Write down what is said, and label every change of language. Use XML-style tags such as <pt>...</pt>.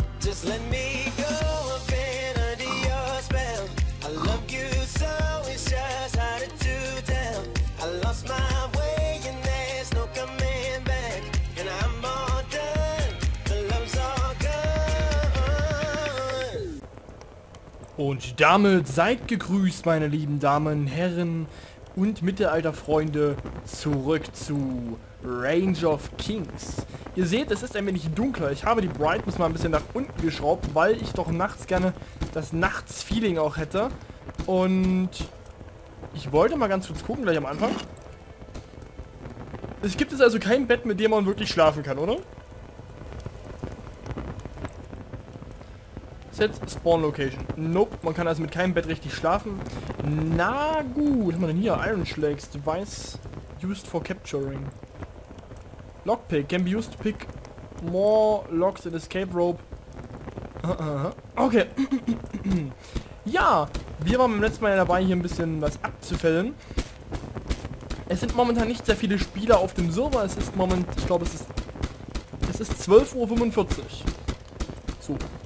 <en>just let me go up in under your spell. I love you so, it's just hard to tell. I lost my way and there's no coming back. And I'm all done, the love's all gone.</en> <de>Und damit seid gegrüßt, meine lieben Damen, Herren und Mittelalterfreunde, zurück zu Range of Kings. Ihr seht, es ist ein wenig dunkler. Ich habe die Brightness mal ein bisschen nach unten geschraubt, weil ich doch nachts gerne das Nachtsfeeling auch hätte. Und ich wollte mal ganz kurz gucken, gleich am Anfang. Es gibt jetzt also kein Bett, mit dem man wirklich schlafen kann, oder? Set Spawn Location. Nope, man kann also mit keinem Bett richtig schlafen. Na gut, was haben wir denn hier?</de> <en>Iron Schlags, Device used for capturing. Lockpick, can be used to pick more locks in escape rope. Okay.</en> <de>Ja, wir waren beim letzten Mal dabei, hier ein bisschen was abzufällen. Es sind momentan nicht sehr viele Spieler auf dem Server. Es ist momentan, ich glaube, es ist 12.45 Uhr. So.</de>